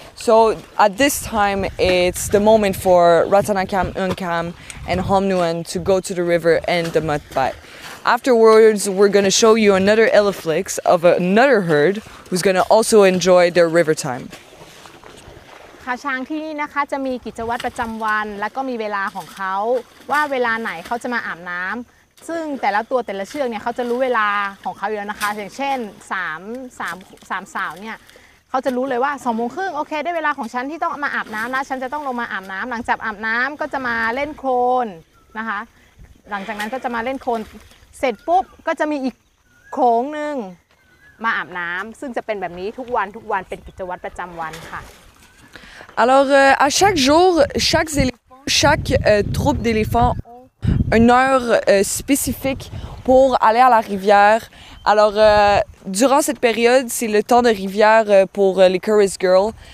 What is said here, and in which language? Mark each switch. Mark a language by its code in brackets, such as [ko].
[en] So at this time, it's the moment for Ratanakam, Eunkam and Hum Nuon to go to the river and the mud bath. Afterwards, we're going to show you another Eleflix of another herd who's going to also enjoy their river time. [th] ค่ะช้างที่นี่นะคะจะมีกิจวัตรประจำวันแล้วก็มีเวลาของเขาว่าเวลาไหนเขาจะมาอาบน้ำ ซึ่งแต่ละตัวแต่ละเชือกเนี่ยเขาจะรู้เวลาของเขาอยู่แล้วนะคะอย่างเช่น3สาวเนี่ยเขาจะรู้เลยว่า 2:30 นโอเคได้เวลาของฉันที่ต้องมาอาบน้ำนะฉันจะต้องลงมาอาบน้ำหลังจากอาบน้ำก็จะมาเล่นโคลนนะคะหลังจากนั้นก็จะมาเล่นโคลนเสร็จปุ๊บก็จะมีอีกโขงนึงมาอาบน้ำซึ่งจะเป็นแบบนี้ทุกวันทุกวันเป็นกิจวัตรประจำวันค่ะ [fr] Alors à chaque jour chaque éléphant chaque troupe d'éléphantsUne heure spécifique pour aller à la rivière. Alors, durant cette période, c'est le temps de rivière pour les Curious Girls.